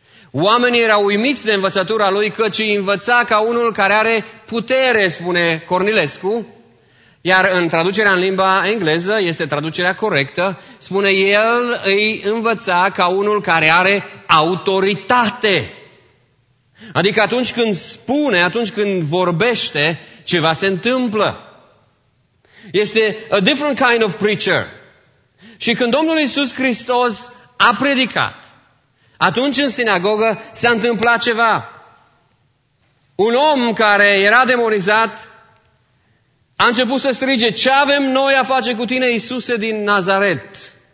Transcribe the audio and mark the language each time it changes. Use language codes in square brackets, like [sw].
[ro] Oamenii erau uimiți de învățătura lui, căci învăța ca unul care are putere, spune Cornilescu, iar în traducerea în limba engleză, este traducerea corectă, spune: el îi învăța ca unul care are autoritate. Adică atunci când spune, atunci când vorbește, ceva se întâmplă. [en] Este a different kind of preacher. [ro] Și când Domnul Iisus Hristos a predicat, atunci în sinagogă s-a întâmplat ceva. Un om care era demonizat a început să strige: ce avem noi a face cu tine, Iisuse din Nazaret?